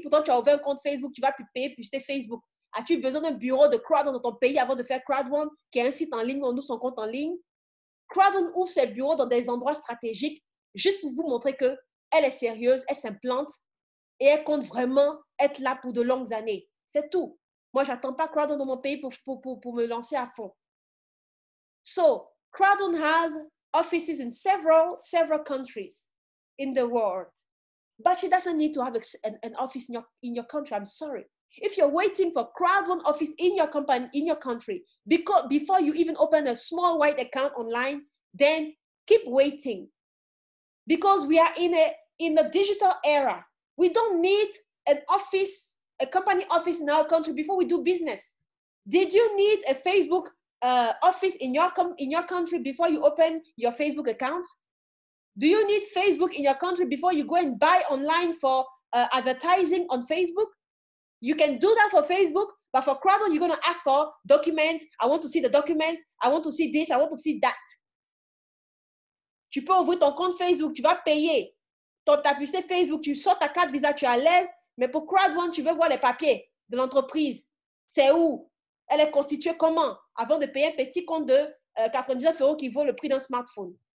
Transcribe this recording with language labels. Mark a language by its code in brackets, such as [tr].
[fr] Pourtant, tu as ouvert un compte Facebook, tu vas plus payer, puis c'est Facebook. As-tu besoin d'un bureau de CrowdOne dans ton pays avant de faire CrowdOne, qui est un site en ligne, on ouvre son compte en ligne? CrowdOne ouvre ses bureaux dans des endroits stratégiques juste pour vous montrer que elle est sérieuse, elle s'implante et elle compte vraiment être là pour de longues années. C'est tout. Moi, je n'attends pas CrowdOne dans mon pays pour me lancer à fond. [en] So, CrowdOne has offices in several countries in the world. But she doesn't need to have an office in your country. I'm sorry. If you're waiting for CrowdOne office in your company, in your country, before you even open a small white account online, then keep waiting. Because we are in a digital era. We don't need an office, a company office in our country before we do business. Did you need a Facebook office in your country before you open your Facebook account? Do you need Facebook in your country before you go and buy online for advertising on Facebook? You can do that for Facebook, but for CrowdOne, you're going to ask for documents. I want to see the documents. I want to see this. I want to see that. [fr] Tu peux ouvrir ton compte Facebook, tu vas payer. Ta puce Facebook, tu sors ta carte Visa, tu es à l'aise. Mais pour CrowdOne, tu veux voir les papiers de l'entreprise. C'est où? Elle est constituée comment? Avant de payer un petit compte de 99 € qui vaut le prix d'un smartphone.